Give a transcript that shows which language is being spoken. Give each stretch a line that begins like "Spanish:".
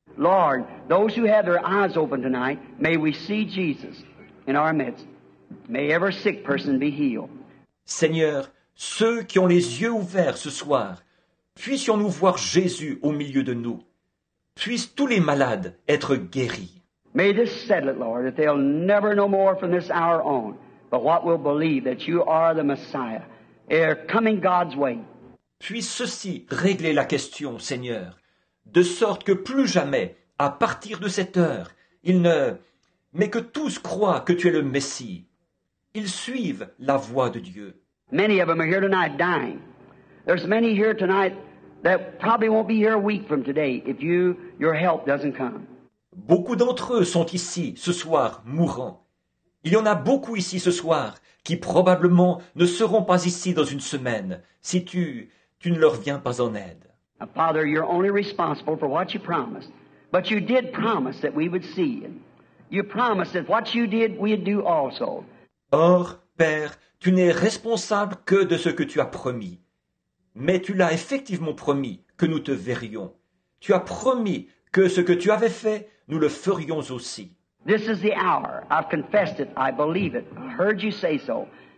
English: Lord, those who have their eyes open tonight, may we see Jesus in our midst. May every sick person be healed.
French: Seigneur, ceux qui ont les yeux ouverts ce soir, puissions-nous voir Jésus au milieu de nous. Puissent tous les malades être guéris.
English: May this settle it, Lord, that they'll never know more from this hour on, but what will believe that you are the Messiah, ere coming God's way.
French: Puisse ceci régler la question, Seigneur, de sorte que plus jamais, à partir de cette heure, mais que tous croient que tu es le Messie. Ils suivent la voie de Dieu.
English: Many of them are here tonight dying. There's many here tonight that probably won't be here a week from today if your help doesn't come.
French: Beaucoup d'entre eux sont ici ce soir mourants. Il y en a beaucoup ici ce soir qui probablement ne seront pas ici dans une semaine si tu ne leur viens pas en aide.
English: Father, you're only responsible for what you promised, but you did promise that we would see you. You promised that what you did, we'd do also.
French: Or, Père, tu n'es responsable que de ce que tu as promis. Mais tu l'as effectivement promis que nous te verrions. Tu as promis que ce que tu avais fait, nous le ferions aussi.
English: This is the hour. I've confessed it. I believe it. I heard you say so.